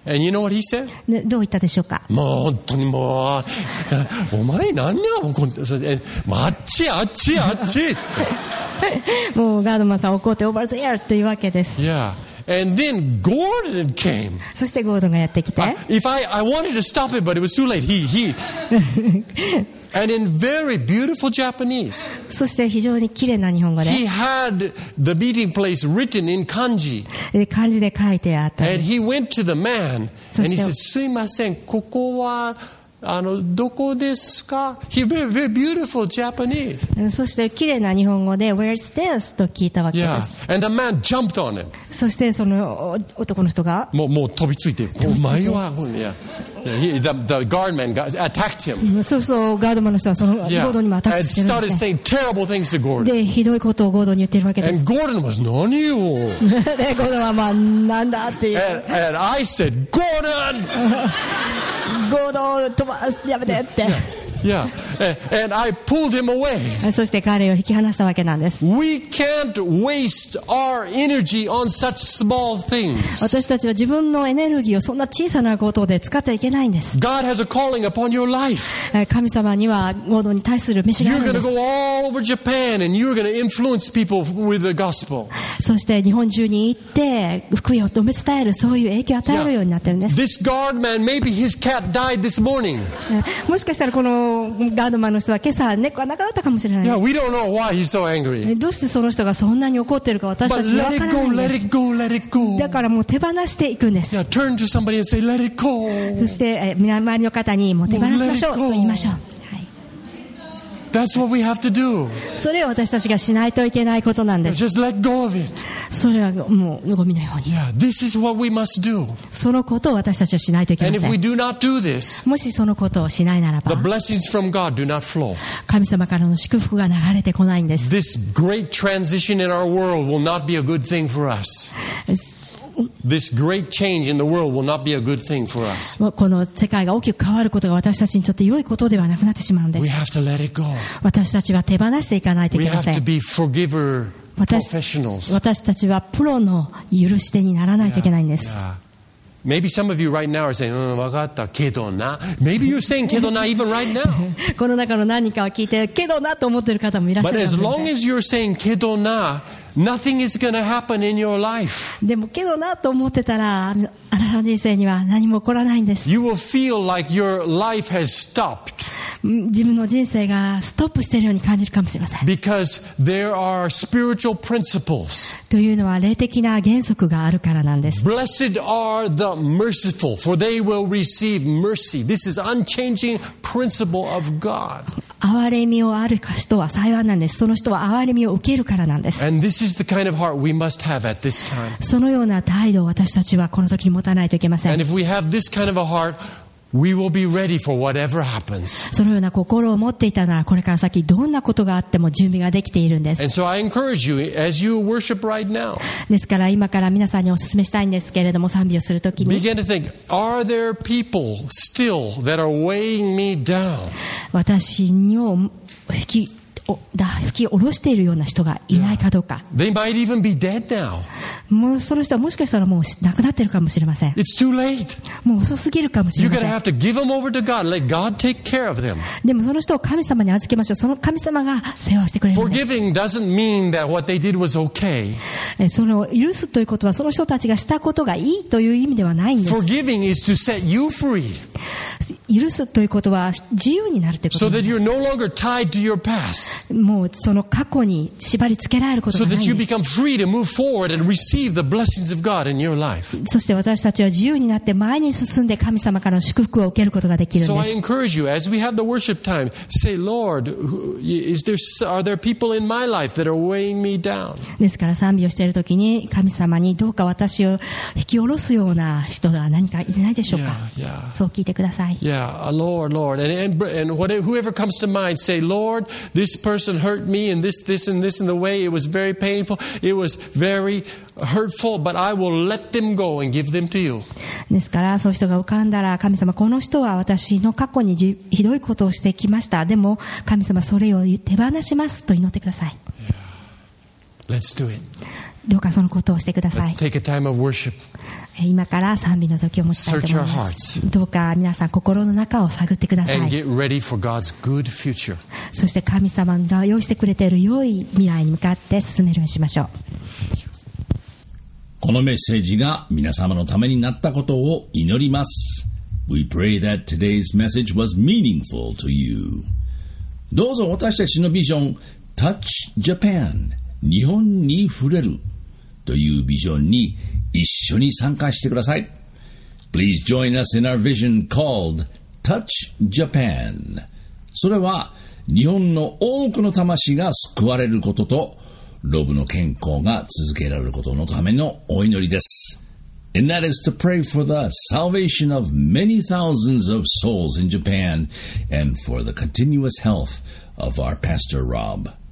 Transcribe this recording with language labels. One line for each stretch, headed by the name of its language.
English: And you know what he said?
Japanese: どう言ったでしょうか? もう本当にもう、お前何やろ、もう、あっち、あっち、あっちもうガードマンさん怒って、
English: Over there!
Japanese: っていうわけです。
English: Yeah. And then Gordon came.
Japanese: そしてゴードンがやってきて。
English: I wanted to stop it, but it was too late. He. And in very beautiful Japanese.
Japanese: そして非常に綺麗な日本語で。
English: He had the meeting place written in kanji.
Japanese: で漢字で書いてあった。
English: And he went to the man. And he said,
Japanese: すいません、ここはどこですか?
English: He very, very beautiful Japanese.
Japanese: そして綺麗な日本語で
English: Where is this?
Japanese: と聞いたわけです。
English: Yeah. And the man jumped on him.
Japanese: そしてその男の人がもう飛びついて、お前は、
English: yeah. the guard man attacked him.
Japanese: そうそう、ガードマンの人はそのゴードンにもアタックしてる。
English: And started saying terrible things to Gordon.
Japanese: で、ひどいことをゴードンに言ってるわけです。
English: And Gordon was
Japanese: 何を? で、ゴードンはまあなんだっていう。
English: And I said, Gordon!
Japanese: ゴードン、やめてって。
English: Yeah. And I pulled him away.
Japanese: そして彼を引き離したわけなんです。
English: We can't waste our energy on such small things.
Japanese: 私たちは自分のエネルギーをそんな小さなことで使ってはいけないんです。
English: God has a calling upon your life.
Japanese: 神様にはモードに対する召しがあるんです。
English: You're going to go all over Japan and you're going to influence people with the gospel.
Japanese: そして日本中に行って福音を述べ伝えるそういう影響を与えるようになってるんです。
English: This guard man, maybe his cat died this morning.
Japanese: もしかしたらこのガードマンの人は今朝猫が亡くなったかもしれない。
English: Yeah, we don't know why he's so angry.
Japanese: どうしてその人がそんなに怒っているか私たちは分からないんです。
English: But let it go, let it go, let it go.
Japanese: だからもう手放していくんです。
English: Yeah, turn to somebody and say, let it go.
Japanese: そして周りの方にもう手放しましょうと言いましょう。
English: That's what we have to do.
Japanese: それを私たちがしないといけないことなんです。
English: Just let go of it.
Japanese: それはもうゴミのように。
English: Yeah, this is what we must do.
Japanese: そのことを私たちはしないといけません。
English: And if we do not do this,
Japanese: もしそのことをしないならば、
English: the blessings from God do not flow.
Japanese: 神様からの祝福が流れてこないんです。
English: This great transition in our world will not be a good thing for us. This great change in the world will not be a good thing for us.
Japanese: この世界が大きく変わることが私たちにとって良いことではなくなってしまうんです。
English: We have to let it go.
Japanese: 私たちは手放していかないといけません。
English: We have to be forgiver professionals.
Japanese: 私たちはプロの許し手にならないといけないんです。
English: Maybe some of you right now are saying,
Japanese: わかったけどな。
English: Maybe you're saying
Japanese: けどな
English: even right now.
Japanese: この中の何かを聞いてけどなと思っている方もいらっしゃるかもしれません。
English: But as long as you're saying
Japanese: けどな、
English: Nothing is going to happen in your life.
Japanese: でもけどなと思ってたら、あなたの人生には何も起こらないんです。
English: You will feel like your life has stopped.
Japanese: 自分の人生がストップしているように感じるかもしれません。
English: Because there are spiritual principles.
Japanese: というのは霊的な原則があるからなんです。
English: Blessed are the merciful, for they will receive mercy. This is unchanging principle of God.
Japanese: 憐れみをある人は幸いなんです。その人は憐れみを受けるからなんです。
English: And this is the kind of heart we must have at this time.
Japanese: そのような態度を私たちはこの時持たないといけません。
English: And if we have this kind of a heart, we will be ready for whatever happens.
Japanese: そのような心を持っていたなら、これから先どんなことがあっても準備ができているんです。
English: And so I encourage you as you worship right now.
Japanese: ですから今から皆さんにお勧めしたいんですけれども、賛美をするときに。
English: Begin to think, are there people still that are weighing me down?
Japanese: 私を引き下ろしているような人がいないかどうか。
English: They might even be dead now.
Japanese: もうその人はもしかしたらもう亡くなっているかもしれません。
English: It's too late.
Japanese: もう遅すぎるかもしれません。
English: You're gonna have to give them over to God. Let God take care of them.
Japanese: でもその人を神様に預けましょう。その神様が世話してくれるんです。
English: Forgiving doesn't mean that what they did was okay.
Japanese: その許すということはその人たちがしたことがいいという意味ではないんです。
English: Forgiving is to set you free.
Japanese: 許すということは自由になるということです。
English: So that you're no longer tied to your past.
Japanese: もうその過去に縛り付けられることがないんです。
English: So that you become free to move forward and receive the blessings of God in your life.
Japanese: そして私たちは自由になって前に進んで神様からの祝福を受けることができるんです。
English: So I encourage you as we have the worship time, say, Lord, are there people in my life that are weighing me down?
Japanese: ですから賛美をしているときに神様にどうか私を引き下ろすような人が何かいないでしょうか。
English: Yeah, yeah.
Japanese: そう聞いてください。
English: Yeah, Lord, Lord. And whoever comes to mind, say, Lord, this person hurt me and this in the way. It was very painful. It was very hurtful, but I will let them go and give them to you.
Japanese: ですから、そういう人が浮かんだら、神様、この人は私の過去にひどいことをしてきました。でも、神様、それを手放しますと祈ってください。
English: Let's do it.
Japanese: どうかそのことをしてください。
English: Let's take a time of worship.
Japanese: 今から賛美の時を持ちたいと思います。どうか皆さん心の中を探ってください。そして神様が用意してくれている良い未来に向かって進めるようにしましょう。このメッセージが皆様のためになったことを祈ります。
English: We pray that today's message was meaningful to you.
Japanese: どうぞ私たちのビジョン Touch Japan 日本に触れるというビジョンに一緒に参加してください。
English: Please join us in our vision called Touch Japan.
Japanese: それは日本の多くの魂が救われることとロブの健康が続けられることのためのお祈りです。
English: And that is to pray for the salvation of many thousands of souls in Japan and for the continuous health of our Pastor Rob.